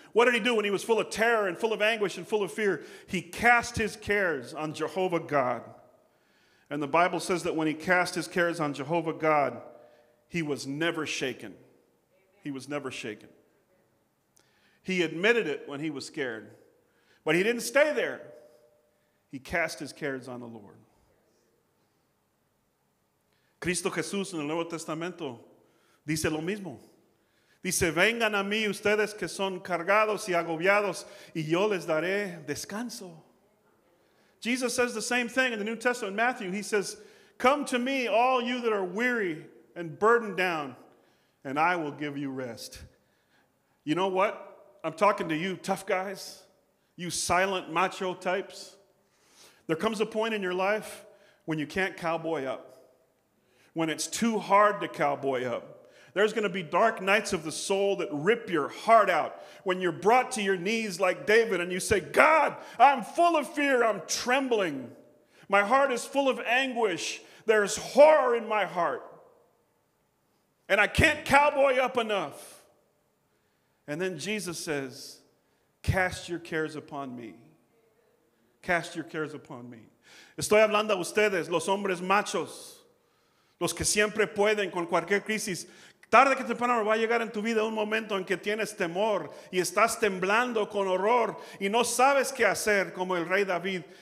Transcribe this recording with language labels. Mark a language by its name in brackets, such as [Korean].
[English] What did he do when he was full of terror and full of anguish and full of fear? He cast his cares on Jehovah God. And the Bible says that when he cast his cares on Jehovah God, he was never shaken. He was never shaken. He admitted it when he was scared, but he didn't stay there. He cast his cares on the Lord. [Spanish] Cristo Jesús en el Nuevo Testamento dice lo mismo. Dice, vengan a mí ustedes que son cargados y agobiados, y yo les daré descanso. [English] Jesus says the same thing in the New Testament, Matthew. He says, come to me, all you that are weary and burdened down, and I will give you rest. You know what? I'm talking to you tough guys, you silent macho types. There comes a point in your life when you can't cowboy up, when it's too hard to cowboy up. There's going to be dark nights of the soul that rip your heart out when you're brought to your knees like David and you say, God, I'm full of fear. I'm trembling. My heart is full of anguish. There's horror in my heart. And I can't cowboy up enough. And then Jesus says, cast your cares upon me. Cast your cares upon me. [Spanish] Estoy hablando a ustedes, los hombres machos, los que siempre pueden con cualquier crisis. Tarde que temprano va a llegar en tu vida un momento en que tienes temor y estás temblando con horror y no sabes qué hacer como el rey David.